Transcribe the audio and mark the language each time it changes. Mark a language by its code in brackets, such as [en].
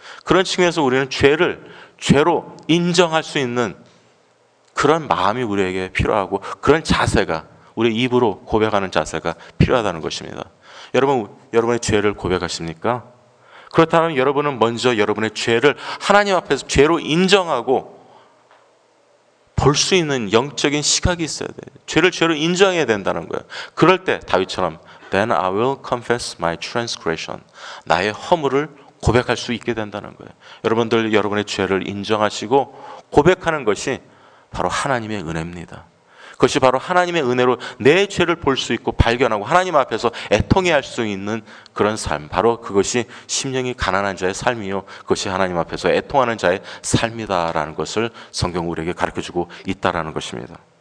[ko] 그런 측면에서 우리는 죄를 죄로 인정할 수 있는 그런 마음이 우리에게 필요하고 그런 자세가, 우리 입으로 고백하는 자세가 필요하다는 것입니다. 여러분, 여러분의 죄를 고백하십니까? 그렇다면 여러분은 먼저 여러분의 죄를 하나님 앞에서 죄로 인정하고 볼 수 있는 영적인 시각이 있어야 돼요. 죄를 죄로 인정해야 된다는 거예요. 그럴 때 다윗처럼 [en] Then I will confess my transgression. [ko] 나의 허물을 고백할 수 있게 된다는 거예요. 여러분들 여러분의 죄를 인정하시고 고백하는 것이 바로 하나님의 은혜입니다. 그것이 바로 하나님의 은혜로 내 죄를 볼 수 있고 발견하고 하나님 앞에서 애통해 할 수 있는 그런 삶, 바로 그것이 심령이 가난한 자의 삶이요 그것이 하나님 앞에서 애통하는 자의 삶이다라는 것을 성경 우리에게 가르쳐주고 있다라는 것입니다.